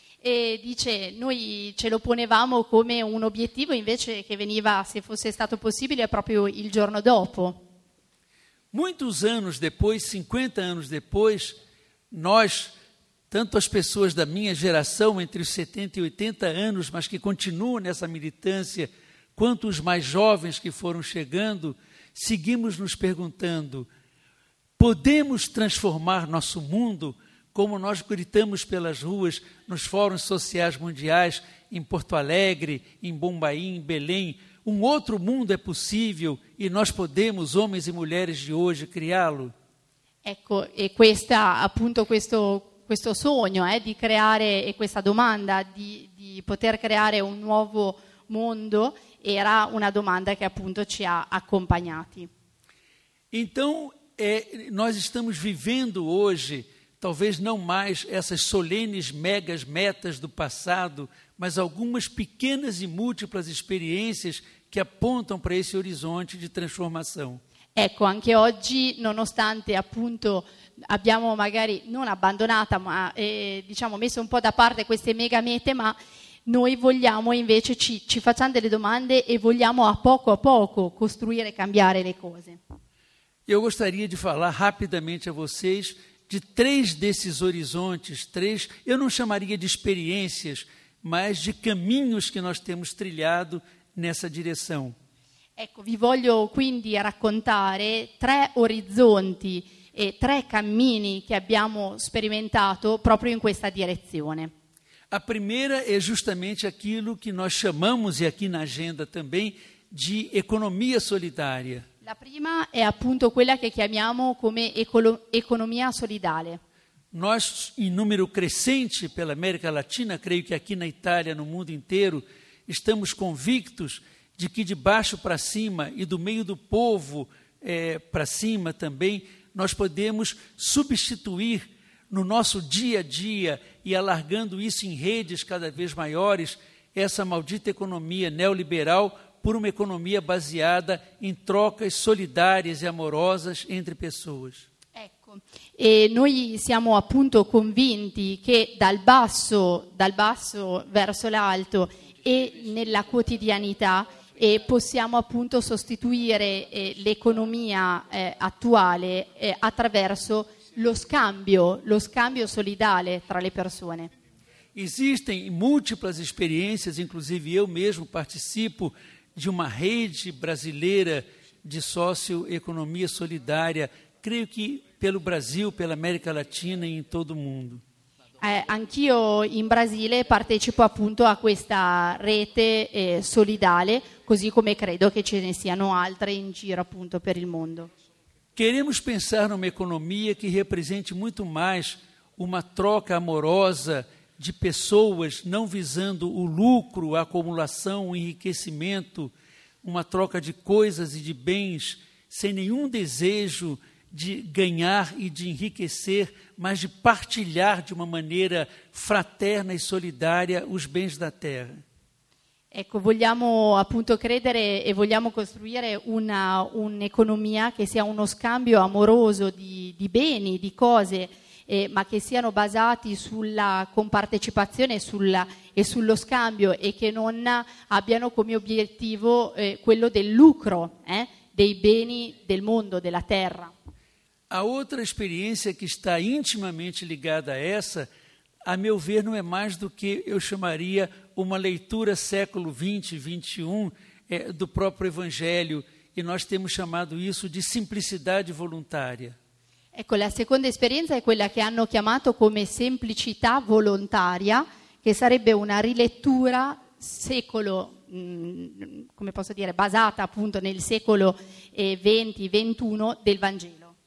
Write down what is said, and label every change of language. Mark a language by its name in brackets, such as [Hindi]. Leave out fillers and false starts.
[Italian] E dice, noi ce lo ponevamo come un obiettivo, invece che veniva, se fosse stato possibile, proprio il giorno dopo. [Portuguese] Muitos anos depois, 50 anos depois, nós, tanto as pessoas da minha geração, entre os 70 e 80 anos, mas que continuam nessa militância, quanto os mais jovens que foram chegando, seguimos nos perguntando: podemos transformar nosso mundo, como nós gritamos pelas ruas, nos fóruns sociais mundiais, em Porto Alegre, em Bombaim, em Belém? Um outro mundo é possível e nós podemos, homens e mulheres de hoje, criá-lo? [Italian] Ecco, e questa, appunto, questo sogno di creare, e questa domanda di poter creare un nuovo mondo, era una domanda che appunto ci ha accompagnati. [Portuguese] Então, nós estamos vivendo hoje, talvez não mais essas solenes megas metas do passado, mas algumas pequenas e múltiplas experiências que apontam para esse horizonte de transformação. [Italian] Ecco, anche oggi, nonostante appunto abbiamo magari non abbandonata, ma diciamo messo un po' da parte queste mega mete, ma noi vogliamo invece, ci facciamo delle domande e vogliamo a poco costruire e cambiare le cose. [Portuguese] Eu gostaria de falar rapidamente a vocês de três desses horizontes, três, eu não chamaria de experiências, mas de caminhos que nós temos trilhado nessa direção. [Italian] Ecco, vi voglio quindi raccontare tre orizzonti e tre cammini che abbiamo sperimentato proprio in questa direzione. [Portuguese] A primeira é justamente aquilo que nós chamamos, e aqui na agenda também, de economia solidária. [Italian] La prima è appunto quella che chiamiamo come economia solidale. [Portuguese] Nós, [Italian] in numero crescente [Portuguese] pela América Latina, creio que aqui na Itália, no mundo inteiro, estamos convictos de que de baixo para cima e do meio do povo para cima também, nós podemos substituir no nosso dia a dia e alargando isso em redes cada vez maiores, essa maldita economia neoliberal por uma economia baseada em trocas solidárias e amorosas entre pessoas. [Italian] E noi siamo appunto convinti che dal basso verso l'alto e nella quotidianità e possiamo appunto sostituire l'economia attuale attraverso lo scambio solidale tra le persone. [Portuguese] Existem múltiplas experiências, inclusive eu mesmo participo de uma rede brasileira de socioeconomia solidária, creio que pelo Brasil, pela América Latina e em todo o mundo. [Italian] Anch'io in Brasile partecipo appunto a questa rete solidale, così come credo che ce ne siano altre in giro appunto per il mondo. [Portuguese] Queremos pensar numa economia que represente muito mais uma troca amorosa de pessoas, não visando o lucro, a acumulação, o enriquecimento, uma troca de coisas e de bens, sem nenhum desejo de ganhar e de enriquecer, mas de partilhar de uma maneira fraterna e solidária os bens da terra. [Italian] Ecco, vogliamo appunto credere e vogliamo costruire un'economia che sia uno scambio amoroso di beni, di cose, ma che siano basati sulla compartecipazione e sullo scambio e che non abbiano come obiettivo quello del lucro, dei beni del mondo, della terra. [Portuguese] A outra experiência que está intimamente ligada a essa, a meu ver, não é mais do que eu chamaria uma leitura século 20, 21 do próprio Evangelho, e nós temos chamado isso de simplicidade voluntária. [Italian] Ecco, la seconda esperienza è quella che hanno chiamato come semplicità volontaria, che sarebbe una rilettura secolo, come posso dire, basata appunto nel secolo 20, 21 del Vangelo.